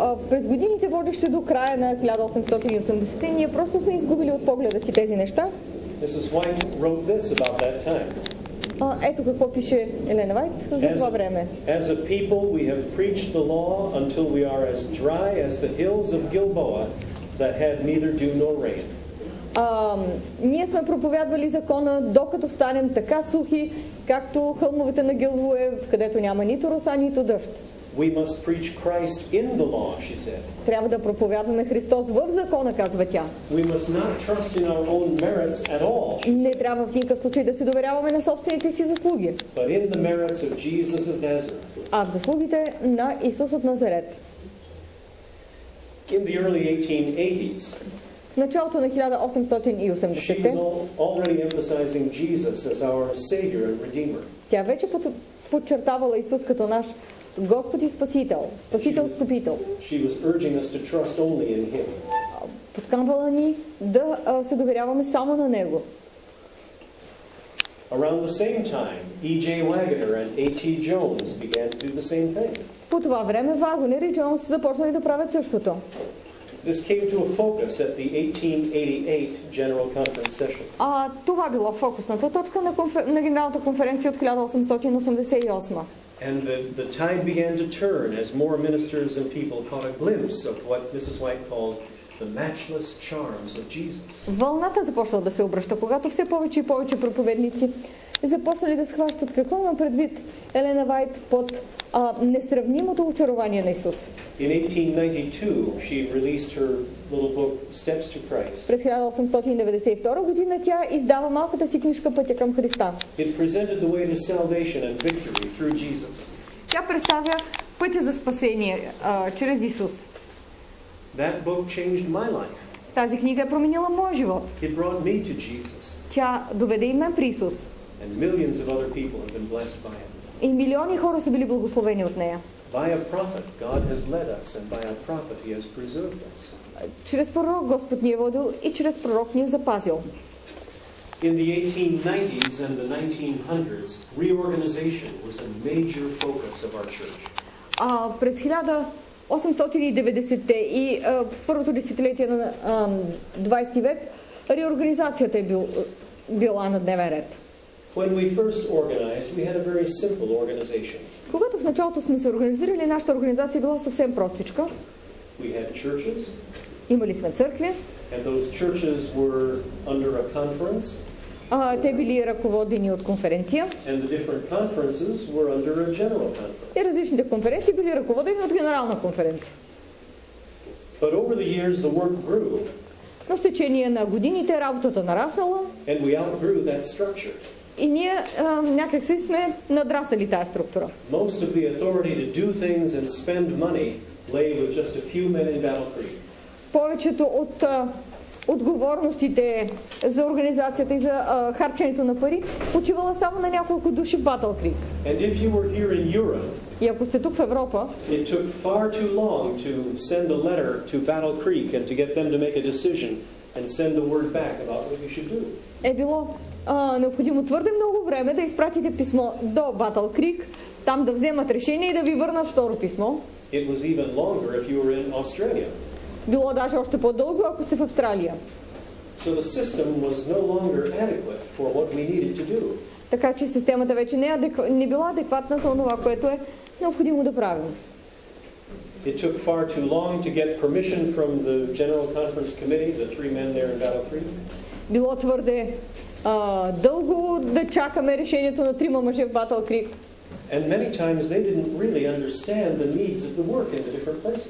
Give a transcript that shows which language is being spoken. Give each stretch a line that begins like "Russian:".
Bulgarian: През годините водещи до края на 1880-те, ние просто сме изгубили от погледа си тези неща.
English: This is why he wrote this about that time.
Bulgarian: Ето какво пише Елена Вайт за това време.
English: As a people we have preached the law until we are as dry as the hills of Gilboa that had neither dew nor rain.
Bulgarian: Ние сме проповядвали закона, докато станем така сухи, както хълмовете на Гилбоа, където няма нито роса, нито дъжд.
English: We must preach Christ in the law, she said.
Bulgarian: Трябва да проповядваме Христос в закона, казва тя.
English: We must not trust in our own merits at all.
Bulgarian: Не трябва в никакъв случай да се доверяваме на собствените си заслуги.
English: But in the merits of Jesus of Nazareth.
Bulgarian: А в заслугите на Исус от Назарет.
English: In the early 1880s.
Bulgarian: В началото на 1880-те.
English: She was already emphasizing Jesus as our Savior and Redeemer.
Bulgarian: Тя вече подчертавала Исус като наш Господ и Спасител, Спасител и Скупител.
English: She was urging us to trust only in him.
Bulgarian: Подканвала ни да се доверяваме само на Него.
English: Around the same time, E.J. Wagoner and A.T. Jones began to do the same thing.
Bulgarian: По това време Вагонер и Джонс започнали да правят същото.
English: This came to a focus at the 1888 General Conference session.
Bulgarian: Това било фокусната точка на генералната конференция от 1888.
English: And the tide began to turn as more ministers and people caught a glimpse of what Mrs. White called the matchless charms of Jesus.
Bulgarian: Вълната започнала да се обръща, когато все повече и повече проповедници започнали да схващат какво има предвид Елена Вайт под несравнимото очарование на Исус.
English: In 1892, she released her little book Steps to Christ.
Bulgarian: През 1892 година тя издава малката си книжка Пътя към Христа.
English: It presented the way to salvation and victory through Jesus.
Bulgarian: Тя представя пътя за спасение чрез Исус.
English: That book changed my life.
Bulgarian: Тази книга е променила моя живот.
English: It brought me to Jesus.
Bulgarian: Тя доведе и мен при Исус.
English: And millions of other people have been blessed by it.
Bulgarian: И милиони хора са били благословени от нея.
English: By a prophet God has led us and by a prophet he has preserved us.
Bulgarian: Чрез пророк Господ ни е водил и чрез пророк ни е запазил.
English: In the 1890s and the 1900s, reorganization was a major focus of our church.
Bulgarian: През 1890-те и първото десетилетие на 20-ти век реорганизацията е била на дневен ред.
English: When we first organized, we had a very simple organization.
Bulgarian: Когато в началото сме се организирали, нашата организация била съвсем простичка.
English: We had churches.
Bulgarian: Имали сме църкви.
English: And those churches were under a conference.
Bulgarian: Те били ръководени от конференция.
English: And the different conferences were under a general conference.
Bulgarian: И различните конференции били ръководени от генерална конференция.
English: But over the years, the work grew.
Bulgarian: Но в течение на годините работата нараснала.
English: And we outgrew that structure.
Bulgarian: И ние някак си сме надрастали тази структура.
English: Most of the authority to do things and spend money lay with just a few men in Battle Creek.
Bulgarian: Повечето от отговорностите за организацията и за харченето на пари почивала само на няколко души в Battle Creek.
English: And if you were here in Europe,
Bulgarian: и ако сте тук в Европа,
English: it took far too long to send a letter to Battle Creek and to get them to make a decision and send the word back about what you should do.
Bulgarian: Е било необходимо твърде много време да изпратите писмо до Батъл Крик, там да вземат решение и да ви върнат второ писмо.
English: It was even longer if you were in Australia.
Bulgarian: Било даже още по-дълго, ако сте в Австралия.
English: So the system was no longer adequate for what we needed to do.
Bulgarian: Така че системата вече не била адекватна за това, което е необходимо да правим.
English: It took far too long to get permission from the General Conference Committee, the three men there in Battle Creek.
Bulgarian: Било твърде дълго да чакаме решението на трима мъже в Батъл Крик.
English: And many times they didn't really understand the needs of the work in the different places.